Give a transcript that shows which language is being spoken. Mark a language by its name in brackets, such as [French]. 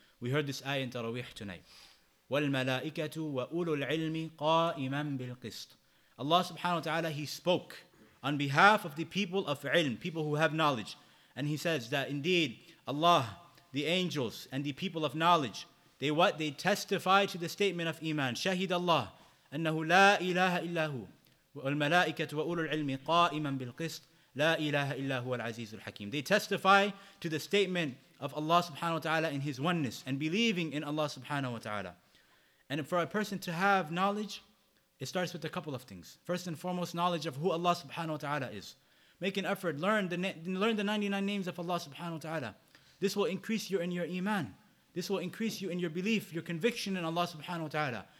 [English] We heard this ayah in Taraweeh tonight. [Arabic] وَالْمَلَائِكَةُ وَأُولُو الْعِلْمِ قَائِمًا بِالْقِسْطِ. [English] Allah subhanahu wa ta'ala, He spoke on behalf of the people of ilm, people who have knowledge. And He says that indeed, Allah, the angels, and the people of knowledge, they what? They testify to the statement of iman. [Arabic] شهد الله أنه لا إله إلا هو والملائكة وأولو العلم قائما بالقسط لا إله إلا هو العزيز الحكيم. [English] They testify to the statement of Allah subhanahu wa ta'ala in His oneness and believing in Allah subhanahu wa ta'ala. And for a person to have knowledge, it starts with a couple of things. First and foremost, knowledge of who Allah subhanahu wa ta'ala is. Make an effort, learn the 99 names of Allah subhanahu wa ta'ala. This will increase you in your iman. This will increase you in your belief, your conviction in Allah subhanahu wa ta'ala.